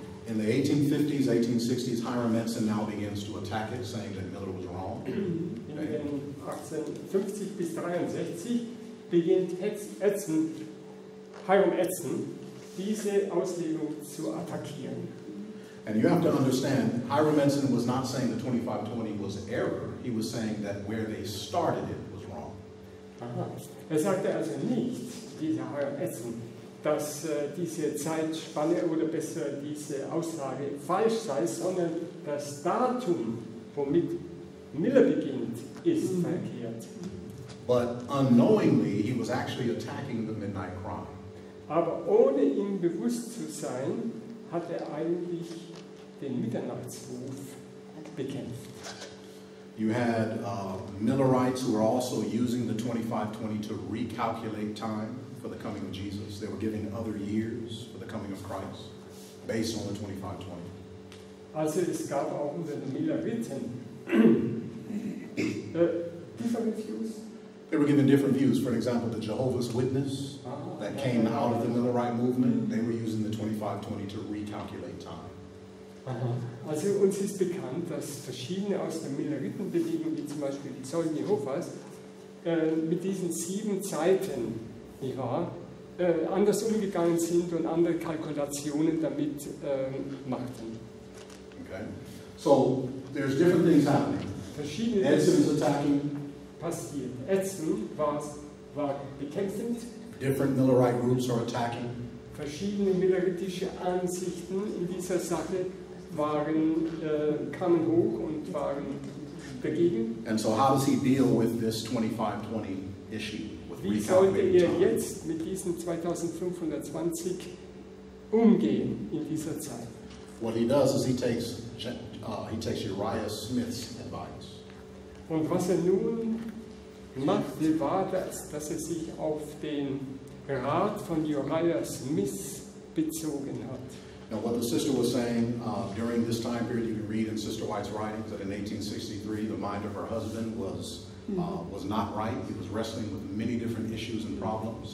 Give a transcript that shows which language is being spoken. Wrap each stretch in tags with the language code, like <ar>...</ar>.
<en>In the 1850s, 1860s, Hiram Edson now begins to attack it, saying that Miller was wrong.</en> <de>In den 1850 bis 63 beginnt Hiram Edson, diese Auslegung zu attackieren.</de> <en>And you have to understand, Hiram Edson was not saying the 2520 was error. He was saying that where they started it was wrong. Aha.</en> <de>Er sagte also nicht, dieser Hiram Edson, dass diese Zeitspanne oder besser diese Aussage falsch sei, sondern das Datum, womit Miller beginnt, ist verkehrt.</de> <en>But unknowingly, he was actually attacking the midnight cry.</en> <de>Aber ohne ihm bewusst zu sein, hat er eigentlich den Mitternachtsruf bekämpft.</de> <en>You had Millerites who were also using the 2520 to recalculate time for the coming of Jesus. They were giving other years for the coming of Christ based on the 2520.</en> <de>Also es gab auch unter den Millerites</de> <en>different views. They were given different views. For example, the Jehovah's Witness that came out of the Millerite movement, they were using the 2520 to recalculate time.</en> <de>Also uns ist bekannt, dass verschiedene aus der Milleritenbewegung, wie zum Beispiel die Zeugen Jehovas, mit diesen sieben Zeiten, nicht wahr, anders umgegangen sind und andere Kalkulationen damit machten.</de> <en>Okay. So, there's different things happening.</en> <de>Verschiedene</de> <en>Edson is attacking.</en> <de>Passiert. Edson war bekämpfend.</de> <en>Different Millerite groups are attacking.</en> <de>Verschiedene milleritische Ansichten in dieser Sache waren, kamen hoch und waren dagegen.</de> <en>And so how does he deal with this 2520 issue? With</en> <de>wie sollte er jetzt mit diesen 2520 umgehen in dieser Zeit?</de> <en>What he does is he takes Uriah Smith's advice.</en> <de>Und was er nun machte, war, dass er sich auf den Rat von Uriah Smith bezogen hat.</de> <en>Now what the sister was saying during this time period, you can read in Sister White's writings that in 1863 the mind of her husband was not right. He was wrestling with many different issues and problems.</en>